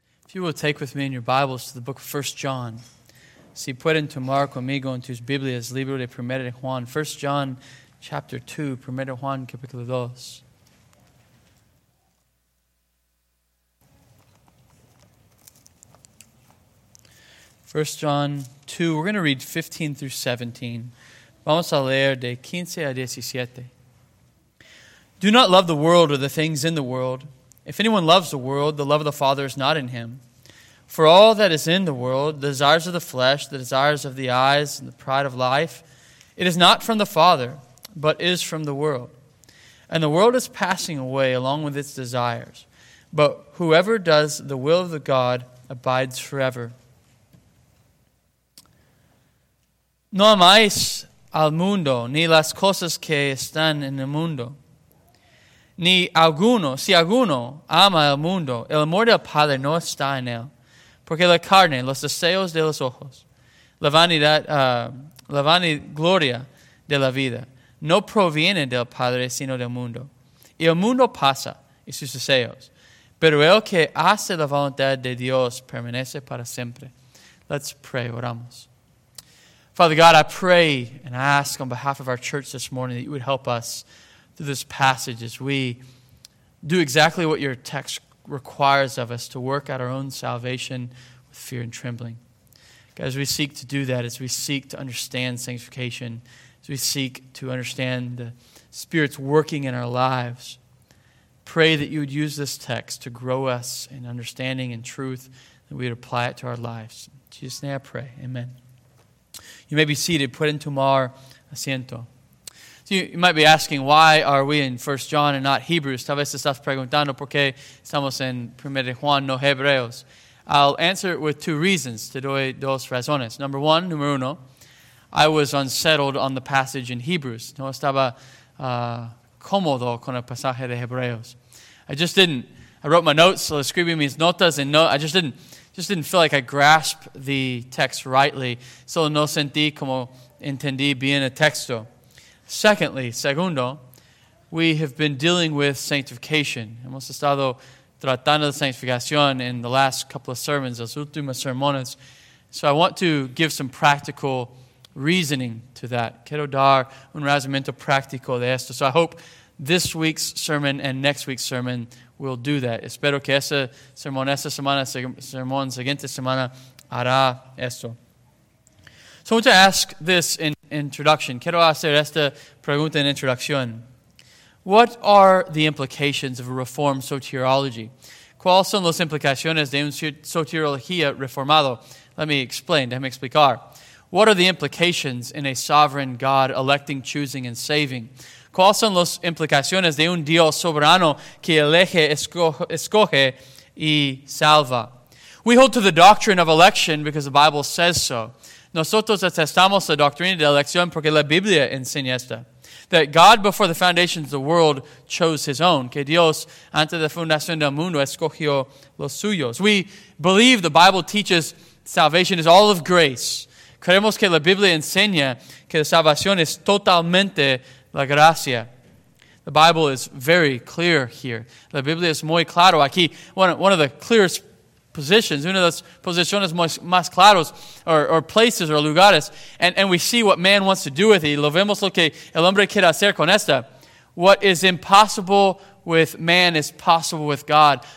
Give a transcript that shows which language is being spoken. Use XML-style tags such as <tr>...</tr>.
<en>If you will take with me in your Bibles to the book of 1 John.</en> <es>Si pueden tomar conmigo en tus Biblias, libro de 1 Juan.</es> <en>1 John chapter 2,</en> <es>1 Juan capítulo 2.</es> <en>First John 2, we're going to read 15 through 17.</en> <es>Vamos a leer de 15 a 17.</es> <en>Do not love the world or the things in the world. If anyone loves the world, the love of the Father is not in him. For all that is in the world, the desires of the flesh, the desires of the eyes, and the pride of life, it is not from the Father, but is from the world. And the world is passing away along with its desires. But whoever does the will of the God abides forever.</en> <es>No amáis al mundo, ni las cosas que están en el mundo. Ni alguno, si alguno ama el mundo, el amor del Padre no está en él. Porque la carne, los deseos de los ojos, la vanagloria de la vida, no proviene del Padre, sino del mundo. Y el mundo pasa, y sus deseos. Pero el que hace la voluntad de Dios permanece para siempre.</es> <en>Let's pray, oramos. Father God, I pray and ask on behalf of our church this morning that you would help us through this passage as we do exactly what your text requires of us, to work out our own salvation with fear and trembling. God, as we seek to do that, as we seek to understand sanctification, as we seek to understand the Spirit's working in our lives, pray that you would use this text to grow us in understanding and truth, that we would apply it to our lives. In Jesus' name I pray, amen. You may be seated.</en> <es>Pueden tomar asiento.</es> <en>So you might be asking, why are we in 1 John and not Hebrews?</en> <es>Tal vez estás preguntando por qué estamos en 1 Juan, no Hebreos.</es> <en>I'll answer it with two reasons.</en> <es>Te doy dos razones.</es> <en>Number one,</en> <es>número uno,</es> <en>I was unsettled on the passage in Hebrews.</en> <es>No estaba cómodo con el pasaje de Hebreos.</es> <en>I just didn't. I wrote my notes, so</en> <es>escribí mis notas,</es> <en>and no, I just didn't. Just didn't feel like I grasped the text rightly.</en> <es>Solo no sentí como entendí bien el texto.</es> <en>Secondo, we have been dealing with sanctification.</en> <es>Hemos estado tratando de sanctificación</es> <en>in the last couple of sermons,</en> <es>los últimos sermones.</es> <en>So I want to give some practical reasoning to that.</en> <es>Quiero dar un razonamiento práctico de esto.</es> <en>So I hope this week's sermon and next week's sermon will do that.</en> <es>Espero que ese sermón esta semana, sermón siguiente semana, hará esto.</es> <en>So I want to ask this in introduction.</en> <es>Quiero hacer esta pregunta en introducción.</es> <en>What are the implications of a reformed soteriology?</en> <es>¿Cuáles son las implicaciones de una soteriología reformado?</es> <en>Let me explain.</en> <es>Déjame explicar.</es> <en>What are the implications in a sovereign God electing, choosing, and saving?</en> <es>¿Cuáles son las implicaciones de un Dios soberano que elige, escoge y salva?</es> <en>We hold to the doctrine of election because the Bible says so.</en> <es>Nosotros atestamos la doctrina de elección porque la Biblia enseña esta.</es> <en>That God, before the foundations of the world, chose his own.</en> <es>Que Dios, antes de la fundación del mundo, escogió los suyos.</es> <en>We believe the Bible teaches salvation is all of grace.</en> <es>Creemos que la Biblia enseña que la salvación es totalmente la gracia.</es> <en>The Bible is very clear here.</en> <es>La Biblia es muy claro aquí.</es> <en>One of the clearest positions,</en> <es>una de las posiciones más claras,</es> <en>or places, or lugares, and we see what man wants to do with it.</en> <es>Y lo vemos lo que el hombre quiere hacer con esta.</es> <en>What is impossible with man is possible with God.</en>